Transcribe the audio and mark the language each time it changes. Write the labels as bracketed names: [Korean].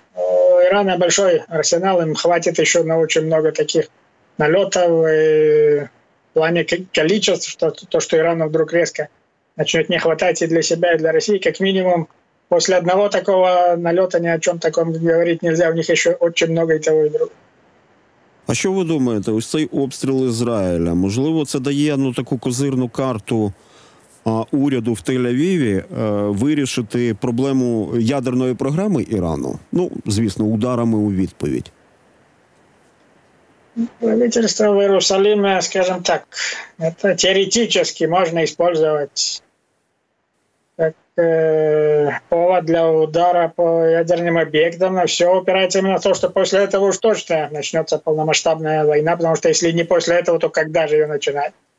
[Ukrainian] У Ірана великий арсенал, їм хватить ще на дуже багато таких [Russian] налетов и в плане количества, что то, что Ирану вдруг резко начнет не хватать и для себя, и для России, как минимум после одного такого налета ни о чем таком говорить нельзя, у них еще очень много и того, и другого. [Ukrainian] А що ви думаєте, ось цей обстріл Ізраїля, можливо, це дає ну, таку козирну карту уряду в Тель-Авіві вирішити проблему ядерної програми Ірану? Ну, звісно, ударами у відповідь. [Russian] Правительство в Иерусалиме, скажем так, это теоретически можно использовать как повод для удара по ядерным объектам, но все упирается именно в то, что после этого уж точно начнется полномасштабная война, потому что если не после этого, то когда же ее начинать?